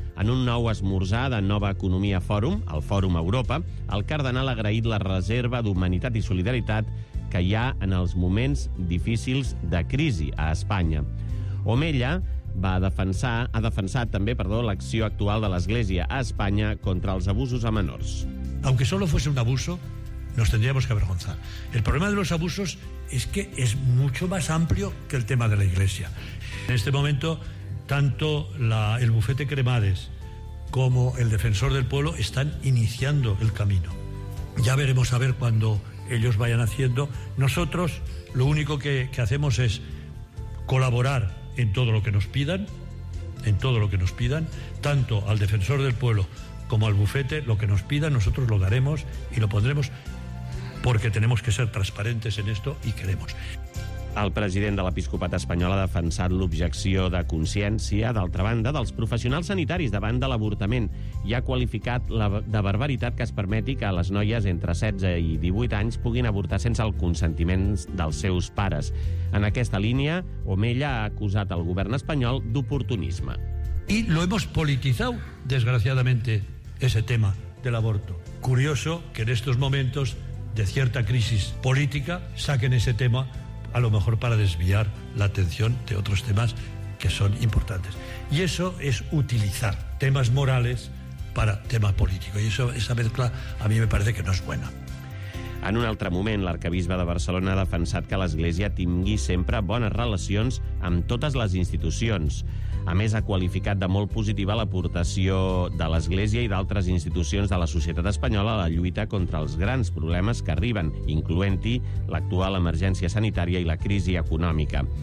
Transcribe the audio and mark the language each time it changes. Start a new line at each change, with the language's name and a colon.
Catalan: En un nou esmorzar de Nova Economia Fòrum, el Fòrum Europa, el cardenal ha agraït la reserva d'humanitat i solidaritat que hi ha en els moments difícils de crisi a Espanya. Omella ha defensat també l'acció actual de l'Església a Espanya contra els abusos a menors.
Spanish: Aunque solo fuese un abuso, nos tendríamos que avergonzar. El problema de los abusos es que es mucho más amplio que el tema de la Iglesia. En este momento, tanto el bufete Cremades como el defensor del pueblo están iniciando el camino. Ya veremos a ver cuando ellos vayan haciendo. Nosotros lo único que hacemos es colaborar en todo lo que nos pidan, en todo lo que nos pidan, tanto al defensor del pueblo como al bufete, lo que nos pidan, nosotros lo daremos y lo pondremos porque tenemos que ser transparentes en esto y queremos.
Catalan: El president de l'Episcopat espanyol ha defensat l'objecció de consciència, d'altra banda, dels professionals sanitaris davant de l'avortament i ha qualificat de barbaritat que es permeti que les noies entre 16 i 18 anys puguin avortar sense el consentiment dels seus pares. En aquesta línia, Omella ha acusat el govern espanyol d'oportunisme.
Spanish: Y lo hemos politizado, desgraciadamente, ese tema del aborto. Curioso que en estos momentos de cierta crisis política saquen ese tema a lo mejor para desviar la atención de otros temas que son importantes. Y eso es utilizar temas morales para tema político. Y eso, esa mezcla a mí me parece que no es buena.
Catalan: En un altre moment, l'arcabisbe de Barcelona ha defensat que l'Església tingui sempre bones relacions amb totes les institucions. A més, ha qualificat de molt positiva l'aportació de l'Església i d'altres institucions de la societat espanyola a la lluita contra els grans problemes que arriben, incloent-hi l'actual emergència sanitària i la crisi econòmica.